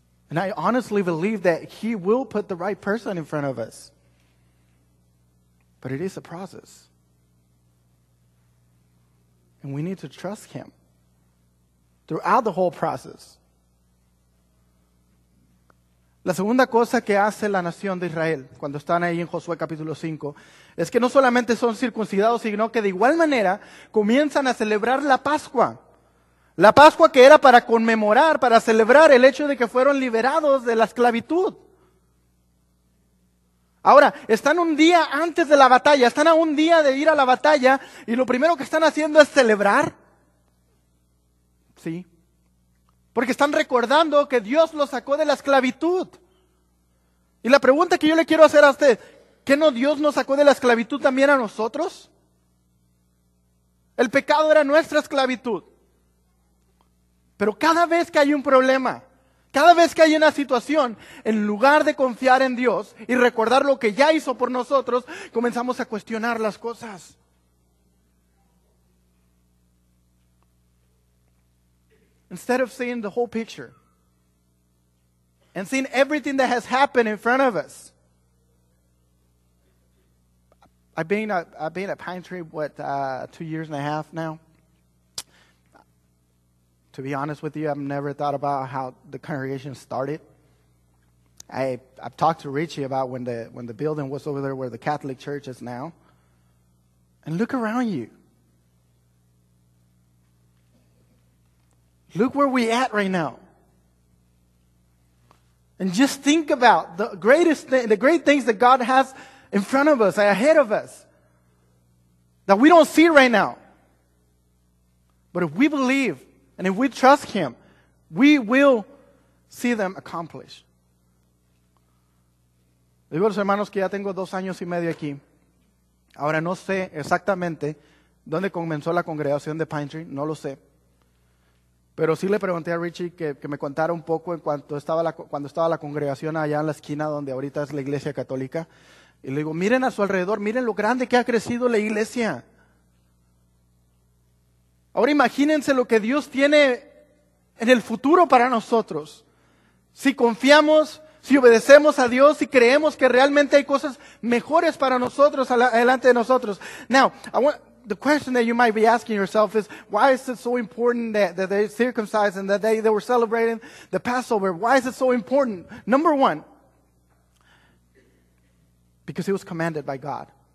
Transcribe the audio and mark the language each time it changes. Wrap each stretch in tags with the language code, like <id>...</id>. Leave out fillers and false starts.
<en>And I honestly believe that He will put the right person in front of us. But it is a process. And we need to trust Him throughout the whole process.</en> <es>La segunda cosa que hace la nación de Israel cuando están ahí en Josué capítulo 5 es que no solamente son circuncidados, sino que de igual manera comienzan a celebrar la Pascua. La Pascua que era para conmemorar, para celebrar el hecho de que fueron liberados de la esclavitud. Ahora, están un día antes de la batalla, están a un día de ir a la batalla y lo primero que están haciendo es celebrar. Sí. Porque están recordando que Dios los sacó de la esclavitud. Y la pregunta que yo le quiero hacer a usted, ¿qué no Dios nos sacó de la esclavitud también a nosotros? El pecado era nuestra esclavitud. Pero cada vez que hay un problema, cada vez que hay una situación, en lugar de confiar en Dios y recordar lo que ya hizo por nosotros, comenzamos a cuestionar las cosas.</es> <en>Instead of seeing the whole picture and seeing everything that has happened in front of us. I've been at Pine Tree, 2 years and a half now? To be honest with you, I've never thought about how the congregation started. I've talked to Richie about when the building was over there where the Catholic Church is now. And look around you. Look where we at right now. And just think about the great things that God has in front of us, ahead of us, that we don't see right now. But if we believe and if we trust Him, we will see them accomplished.</en> <es>Digo a los hermanos que ya tengo 2 años y medio aquí. Ahora no sé exactamente dónde comenzó la congregación de Pine Tree. No lo sé. Pero sí le pregunté a Richie que me contara un poco en cuanto estaba cuando estaba la congregación allá en la esquina donde ahorita es la iglesia católica. Y le digo, miren a su alrededor, miren lo grande que ha crecido la iglesia. Ahora imagínense lo que Dios tiene en el futuro para nosotros. Si confiamos, si obedecemos a Dios, si creemos que realmente hay cosas mejores para nosotros adelante de nosotros.</es> <en>The question that you might be asking yourself is, why is it so important that they circumcised and that they were celebrating the Passover? Why is it so important? Number one, because it was commanded by God.</en>